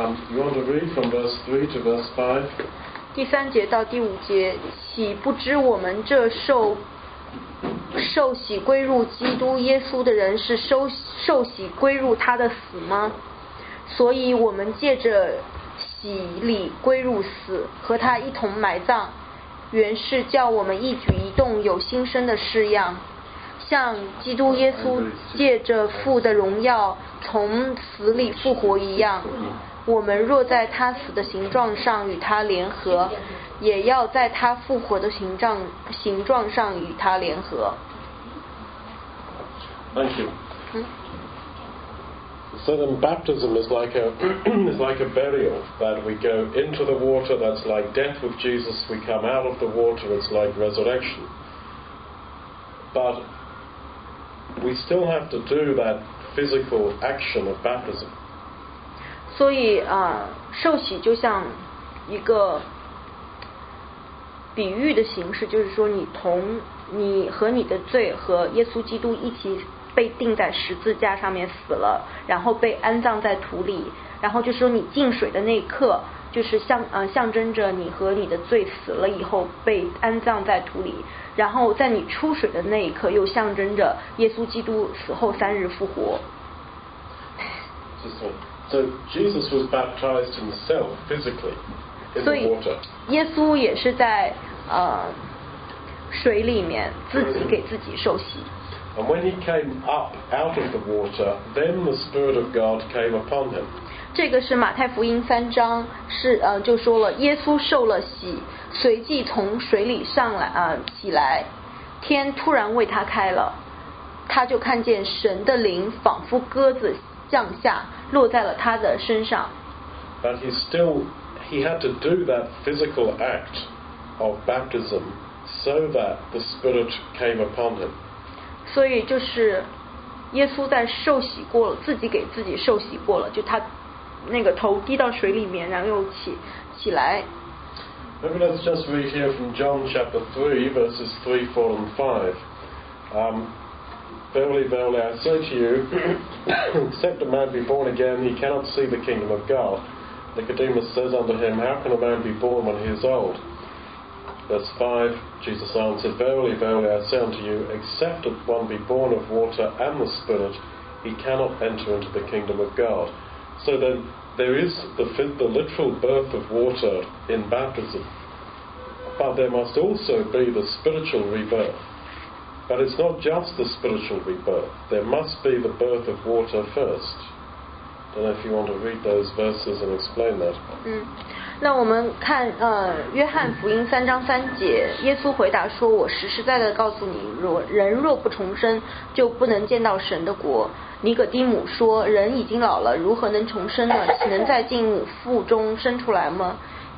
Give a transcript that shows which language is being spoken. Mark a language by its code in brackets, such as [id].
[en] You want to read from verse 3 to verse 5? [zh] 第三节到第五节，岂不知我们这受洗归入基督耶稣的人是受洗归入他的死吗？所以我们借着洗礼归入死，和他一同埋葬，原是叫我们一举一动有新生的式样，像基督耶稣借着父的荣耀从死里复活一样。我们若在他死的形状上与他联合，也要在他复活的形状上与他联合。 [en] Thank you. So then baptism is like a burial, that we go into the water, that's like death with Jesus, we come out of the water, it's like resurrection. But we still have to do that physical action of baptism. [zh] 所以受洗就像一个比喻的形式，就是说你和你的罪和耶稣基督一起被被钉在十字架上面死了，然后被安葬在土里，然后就是说你进水的那一刻，就是象征着你和你的罪死了以后被安葬在土里，然后在你出水的那一刻又象征着耶稣基督死后三日复活。 [en] So Jesus was baptized himself physically in the water. [zh] 耶稣也是在水里面自己给自己受洗。 [en] And when he came up out of the water, then the Spirit of God came upon him. [zh] 这个是马太福音三章，是就说了耶稣受了洗，随即从水里上来起来，天突然为他开了，他就看见神的灵仿佛鸽子降下落在了他的身上。 [en] But he still, he had to do that physical act of baptism so that the Spirit came upon him. [zh] 所以就是耶稣在受洗过了，自己给自己受洗过了，就他那个头低到水里面，然后又起来。 [en] Maybe let's just read here from John chapter 3, verses 3, 4, and 5. Verily, verily, I say to you, except a man be born again, he cannot see the kingdom of God. Nicodemus says unto him, How can a man be born when he is old? Verse 5, Jesus answered, Verily, verily, I say unto you, except one be born of water and the Spirit, he cannot enter into the kingdom of God. So then, there is the literal birth of water in baptism, but there must also be the spiritual rebirth. But it's not just the spiritual rebirth. There must be the birth of water first. I don't know if you want to read those verses and explain that. [zh] 那我们看约翰福音三章三节，耶稣回答说：“我实实在在告诉你，人若不重生，就不能见到神的国。” 尼葛底母说：“人已经老了，如何能重生呢？岂能再进母腹中生出来吗？”